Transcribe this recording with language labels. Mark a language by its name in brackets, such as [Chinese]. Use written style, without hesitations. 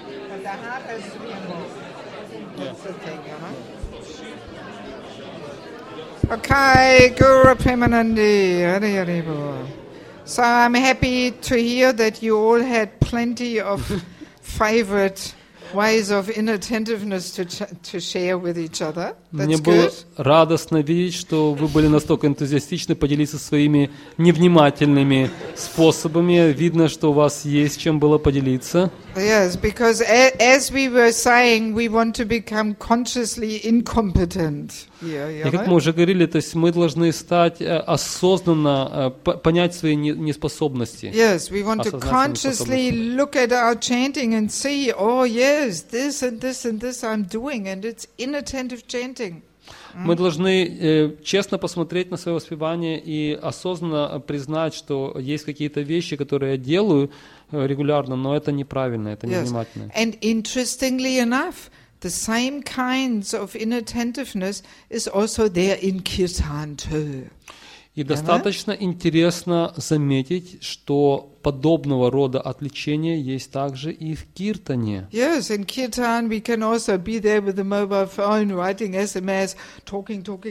[English] But the heart has to be involved. That's the thing, huh? Okay, Guru Premanandi, Hari Hari Bo. So I'm happy to hear that you all had plenty of favorite ways of inattentiveness to share with each other. That's [Russian] Мне было радостно видеть, что вы были настолько энтузиастичны поделиться своими невнимательными способами. Видно, что у вас есть чем было поделиться. [English] Yes, because as we were saying, we want to become consciously incompetent. [Russian] И как мы уже говорили, то есть мы должны стать осознанно понять свои неспособности. [English] Yes, we want to consciously look at our chanting and see, oh yes, this and this and this I'm doing, and it's inattentive chanting. [Russian] Мы должны честно посмотреть на свое воспевание и осознанно признать, что есть какие-то вещи, которые я делаю регулярно, но это неправильно, это невнимательно. [English] Yes. And interestingly enough, the same kinds of inattentiveness is also there in kirtan too. [Russian] И достаточно интересно заметить, что подобного рода отвлечения есть также и в киртане. [English] Yes, in kirtan we can also be there with the mobile phone, writing SMS, talking.